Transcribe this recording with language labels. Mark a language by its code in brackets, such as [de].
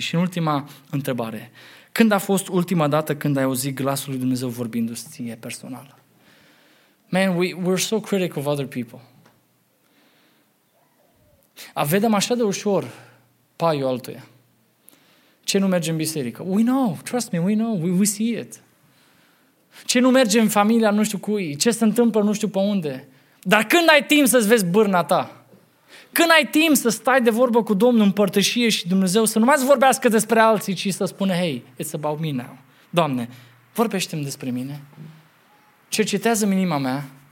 [ro] Și în ultima întrebare, când a fost ultima dată când ai auzit glasul lui Dumnezeu vorbindu-ți ție personal? [en] Man, we're so critical of other people. [ro] Vedem așa de ușor paiul altuia. Ce nu merge în biserică? [en] We know, trust me, we know, we see it. [ro] Ce nu merge în familia nu știu cui, ce se întâmplă nu știu pe unde. Dar când ai timp să-ți vezi bârna ta? Când ai timp să stai de vorbă cu Domnul în părtășie și Dumnezeu să nu mai vorbească despre alții, ci să spune, [en] hey, it's about me now. [ro] Doamne, vorbește-mi despre mine. Cercetează-mi inima mea.